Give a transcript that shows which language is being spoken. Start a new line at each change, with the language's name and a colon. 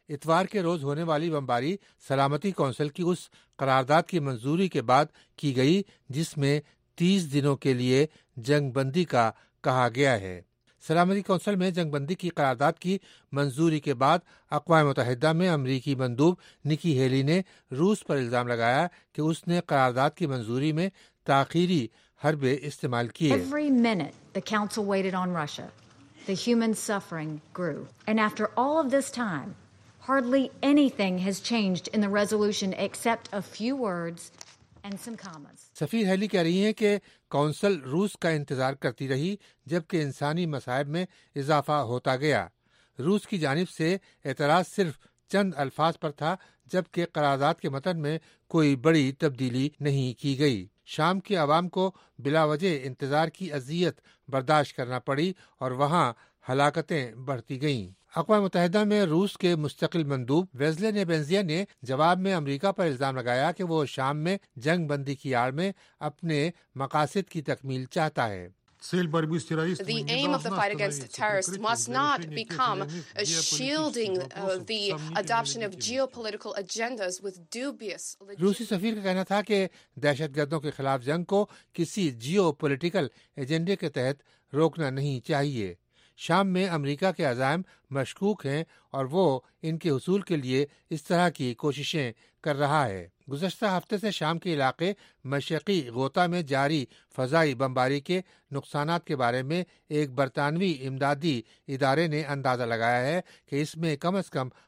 Urdu: اتوار کے روز ہونے والی بمباری سلامتی کونسل کی اس قرارداد کی منظوری کے بعد کی گئی جس میں 30 دنوں کے لیے جنگ بندی کا کہا گیا ہے۔ سلامتی کونسل میں جنگ بندی کی قرارداد کی منظوری کے بعد اقوام متحدہ میں امریکی مندوب نکی ہیلی نے روس پر الزام لگایا کہ اس نے قرارداد کی منظوری میں تاخیری حربے استعمال کیے۔
English: Every minute the council waited on Russia, the human suffering grew. And after all of this time, hardly anything has changed in the resolution except a few words and some comments.
Urdu: سفیر ہیلی کہہ رہی ہیں کہ council روس کا انتظار کرتی رہی جبکہ انسانی مصائب میں اضافہ ہوتا گیا۔ روس کی جانب سے اعتراض صرف چند الفاظ پر تھا جبکہ قرارداد کے متن میں کوئی بڑی تبدیلی نہیں کی گئی۔ شام کے عوام کو بلا وجہ انتظار کی اذیت برداشت کرنا پڑی اور وہاں ہلاکتیں بڑھتی گئیں۔ اقوام متحدہ میں روس کے مستقل مندوب ویزلے نے بینزیا نے جواب میں امریکہ پر الزام لگایا کہ وہ شام میں جنگ بندی کی آڑ میں اپنے مقاصد کی تکمیل چاہتا ہے۔
English: The aim of the fight against terrorists must not become shielding the adoption of geopolitical agendas with dubious legitimacy.
Urdu: روسی سفیر کا کہنا تھا کہ دہشت گردوں کے خلاف جنگ کو کسی جیو پولیٹیکل ایجنڈے کے تحت روکنا نہیں چاہیے۔ شام میں امریکہ کے عزائم مشکوک ہیں اور وہ ان کے حصول کے لیے اس طرح کی کوششیں کر رہا ہے۔ گزشتہ ہفتے سے شام کے علاقے مشرقی غوطہ میں جاری فضائی بمباری کے نقصانات کے بارے میں ایک برطانوی امدادی ادارے نے اندازہ لگایا ہے کہ اس میں کم از کم